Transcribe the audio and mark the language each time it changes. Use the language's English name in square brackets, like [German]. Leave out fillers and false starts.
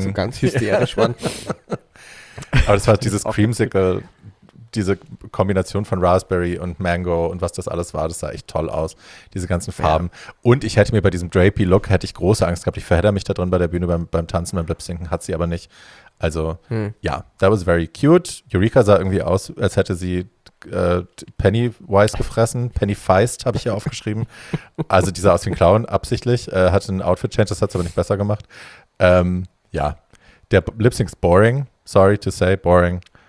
[German] so ganz hysterisch waren. Aber das war dieses Creamsicle, diese Kombination von Raspberry und Mango und was das alles war, das sah echt toll aus, diese ganzen Farben. Ja. Und ich hätte mir bei diesem Drapey-Look, hätte ich große Angst gehabt. Ich verhedder mich da drin bei der Bühne beim Tanzen, beim Lip-Syncen, hat sie aber nicht. Also ja, [English] that was very cute. [German] Eureka sah irgendwie aus, als hätte sie Pennywise gefressen. Pennyfeist habe ich hier aufgeschrieben. Also die sah aus wie ein Clown, absichtlich. Hatte ein Outfit-Change, das hat es aber nicht besser gemacht. Ja, der Lip-Sync ist [English] boring. Sorry to say, boring.